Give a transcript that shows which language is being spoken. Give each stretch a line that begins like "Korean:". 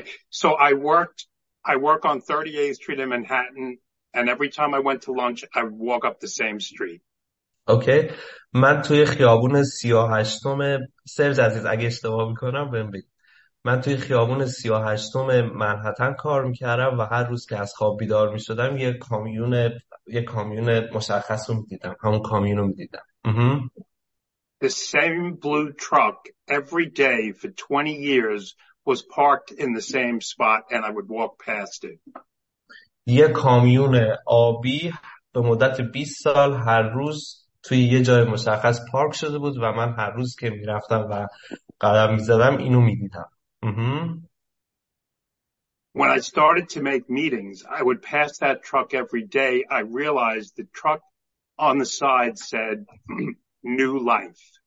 English: So I work on 38th Street in Manhattan. And every time I went to lunch, I would walk up the same street. Okay.
Persian: من توی خیابون 38م سرج عزیز اگه اشتباه میکنم بهم بگید. من توی خیابون 38 منهتن کار میکردم و هر روز که از خواب بیدار میشدم یه کامیون مشخص رو میدیدم. همون کامیون رو میدیدم.
English: The same blue truck every day for 20 years was parked in the same spot and I would walk past it.
Persian: یه کامیون آبی به مدت 20 سال هر روز توی یه جای مشخص پارک شده بود و من هر روز که میرفتم و قدم میزدم اینو میدیدم.
English: When I started to make meetings, I would pass that truck every day. I realized the truck on the side said new life.